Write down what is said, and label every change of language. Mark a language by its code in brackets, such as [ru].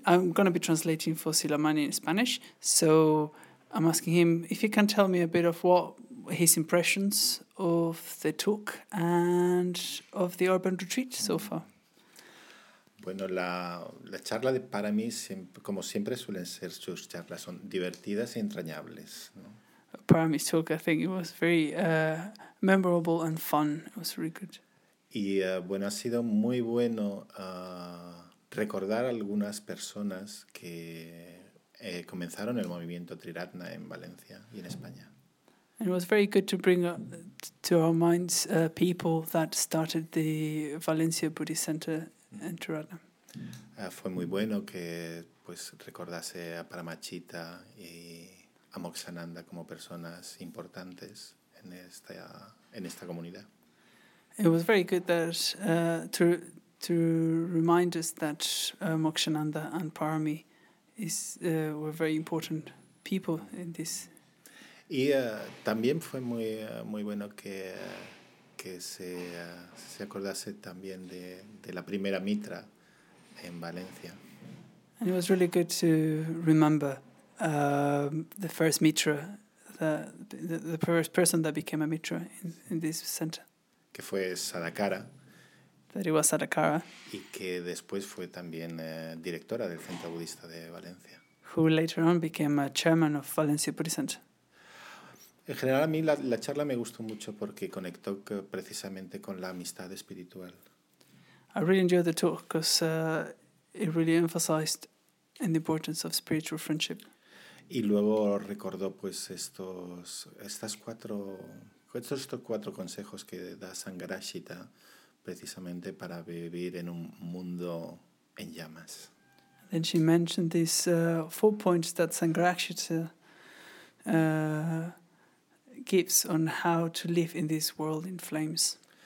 [en] I'm going to be translating for Silamani in Spanish. So I'm asking him if he can tell me a bit of what his impressions of the talk and of the urban retreat so far. [es] Bueno, la charla de Parami, como siempre suelen ser sus charlas, son divertidas e entrañables, ¿no? [en] Parami's talk, I think it was very memorable and fun. It was really good. [es] Y bueno, ha sido muy bueno recordar algunas personas que comenzaron el movimiento Triratna en Valencia y en España. [en] And it was very good to bring to our minds people that started the Valencia Buddhist Center. [es] Fue muy bueno que pues recordase a Paramachita y a Moksananda como personas importantes en esta comunidad. [en] It was very good that to remind us that Moksananda and Parami were very important people in this. [es] Y también fue muy muy bueno que se acordase también de la primera mitra en Valencia. [en] And it was really good to remember the first mitra, the first person that became a mitra in this center. [es] Que fue Sadakara. [en] That it was Sadakara. [es] Y que después fue también directora del centro budista de Valencia. [en] Who later on became a chairman of Valencia Buddhist Center. [es] En general, a mí la charla me gustó mucho porque conectó precisamente con la amistad espiritual. [en] I really enjoyed the talk because it really emphasized in the importance of spiritual friendship. [es] Y luego recordó pues estos cuatro consejos que da Sangharakshita precisamente para vivir en un mundo en llamas. [en] Then she mentioned these 4 points that Sangharakshita gives on how to live in this world in flames.